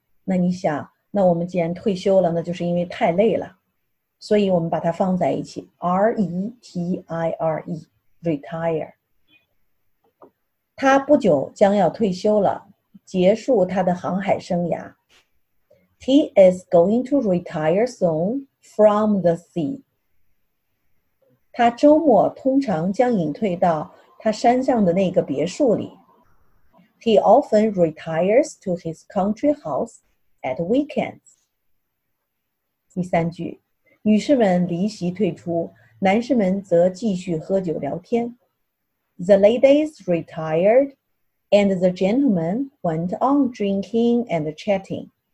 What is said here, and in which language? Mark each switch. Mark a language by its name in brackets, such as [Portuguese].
[Chinese] 那你想，那我们既然退休了，那就是因为太累了，所以我们把它放在一起 retire. [English] Retire. [Chinese] 他不久将要退休了，结束他的航海生涯。 [English] He is going to retire soon from the sea. [Chinese] 他周末通常将隐退到他山上的那个别墅里。 [English] He often retires to his country house at weekends. [Chinese] 第三句，女士们离席退出。男士们则继续喝酒聊天。 [English] The ladies retired, and the gentlemen went on drinking and chatting.